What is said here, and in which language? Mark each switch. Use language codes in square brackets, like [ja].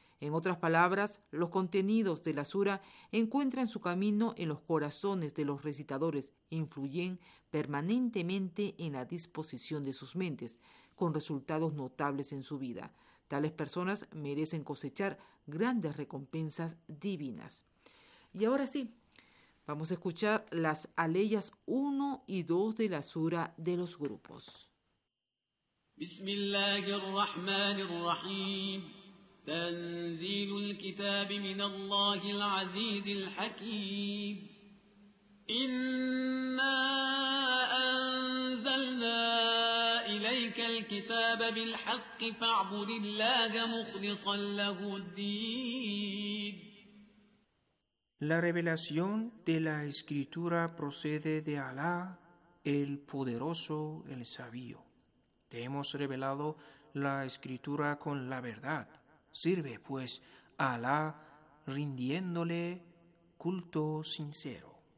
[es] En otras palabras, los contenidos de la sura encuentran su camino en los corazones de los recitadores e influyen permanentemente en la disposición de sus mentes, con resultados notables en su vida. Tales personas merecen cosechar grandes recompensas divinas. Y ahora sí, vamos a escuchar las aleyas 1 y 2 de la sura de los grupos. [ar] بسم الله الرحمن الرحيم تنزيل الكتاب من الله العزيز الحكيم إنا أنزلنا إليك الكتاب بالحق فاعبد الله مخلصا له الدين. [es] La revelación de la escritura procede de Alá, el poderoso, el sabio. Te hemos revelado la escritura con la verdad. Sirve, pues, a Alá rindiéndole culto sincero.